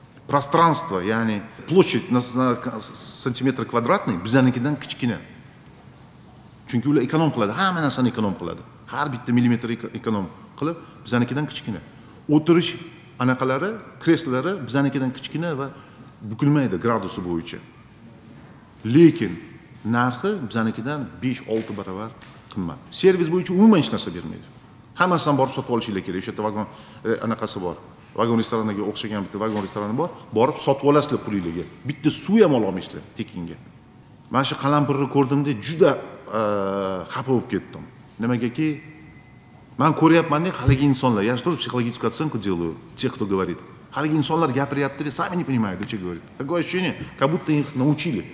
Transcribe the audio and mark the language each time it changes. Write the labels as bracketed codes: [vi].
[uz] Prostranstvo, ya'ni [ru] площадь на сантиметр квадратный [uz] bizanikidan kichkina. Chunki ular ekonom qiladi, hamma narsani ekonom qiladi. Har bitta millimetr ekonom qilib bizanikidan kichkina. O'tirish anaqalari, kreslari bizanikidan kichkina va bukilmaydi gradusi bo'yicha. Lekin narxi bizanikidan 5-6 barobar qimmat. Servis bo'yicha umuman hech narsa bermaydi. Hammasidan borib sotib olishinglar kerak. O'sha vagon anaqasi bor. Vagon restoranlarga o'xshagan bitta vagon restorani bor, borib sotib olasizlar pulingizga. Bitta suv ham ololmaysizlar tekinga. Men shu qalampirni ko'rdimda juda xafa bo'lib ketdim. Nimagaki men ko'ryapman-da haligi insonlar, ya'ni to'g'ri psixologik [ru] otsenku делаю, те, кто говорит. [uz] Haligi insonlar gapiryapti-da, [ru] sami ne понимаю, что говорит. Какое ощущение, как будто их научили.